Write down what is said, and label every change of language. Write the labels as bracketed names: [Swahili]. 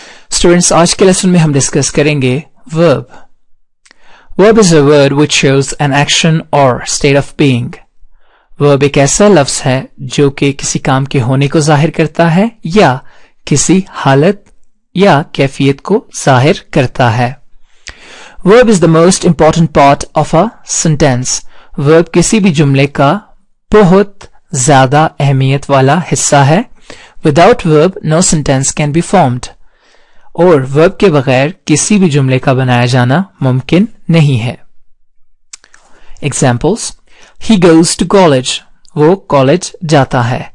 [English] students, [Urdu] آج کے lesson میں ہم ڈسکس کریں گے [English] Verb. Verb is a word which shows an action or state of being. [Urdu] ورب ایک ایسا لفظ ہے جو کہ کسی کام کے ہونے کو ظاہر کرتا ہے یا کسی حالت یا کیفیت کو ظاہر کرتا ہے. [English] Verb is the most important part of a sentence. [Urdu] Verb کسی بھی جملے کا بہت زیادہ اہمیت والا حصہ ہے. [English] Without verb, no sentence can be formed. [Urdu] اور verb کے بغیر کسی بھی جملے کا بنایا جانا ممکن نہیں ہے. [English] Examples: He goes to college. [Urdu] وہ کالج جاتا ہے.